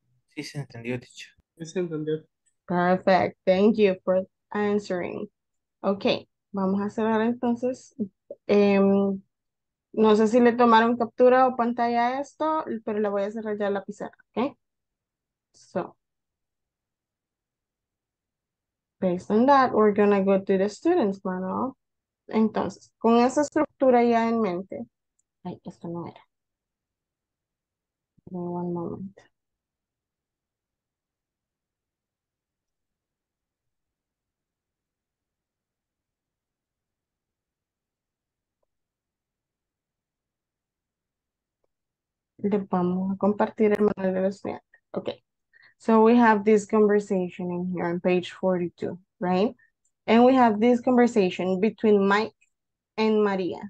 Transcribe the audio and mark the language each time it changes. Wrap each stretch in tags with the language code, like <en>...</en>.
<es>Sí se entendió, dicho. Sí se entendió.</es> <en>Perfect. Thank you for answering. Ok,</en> <es>vamos a cerrar entonces. No sé si le tomaron captura o pantalla a esto, pero le voy a cerrar ya la pizarra, ¿ok?</es> <en>So, based on that, we're going to go to the students manual.</en> <es>Entonces, con esa estructura ya en mente. Ay, esto no era.</es> <en>Give me one moment.</en> <es>Le vamos a compartir el manual de los estudiantes.</es> <en>Ok. So we have this conversation in here on page 42, right? And we have this conversation between Mike and Maria.</en>